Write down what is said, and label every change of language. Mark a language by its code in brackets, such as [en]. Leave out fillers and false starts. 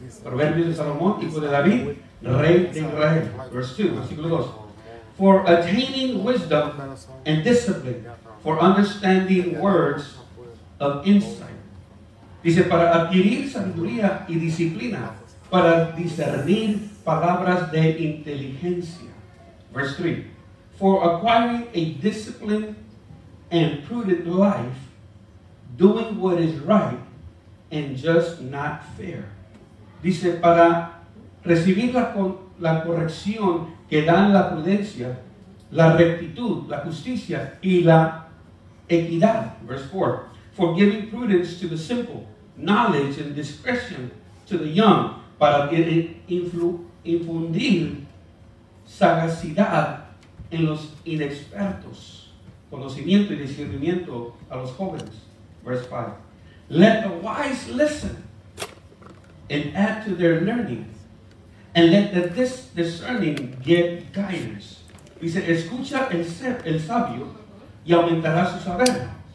[es] Proverbios de Salomón, hijo de David, rey de Israel. [en] Verse 2, [es] versículo 2. [en] For attaining wisdom and discipline, for understanding words of insight. [es] Dice, para adquirir sabiduría y disciplina, para discernir palabras de inteligencia. [en] Verse 3, for acquiring a disciplined and prudent life, doing what is right and just not fair. [es] Dice, para recibir la corrección que dan la prudencia, la rectitud, la justicia y la equidad. [en] Verse 4, for giving prudence to the simple, knowledge and discretion to the young, [es] para infundir sagacidad en los inexpertos, conocimiento y discernimiento a los jóvenes. [en] Verse 5. Let the wise listen and add to their learning, and let the discerning get guidance. [es] Dice, escucha el sabio y aumentará su saber.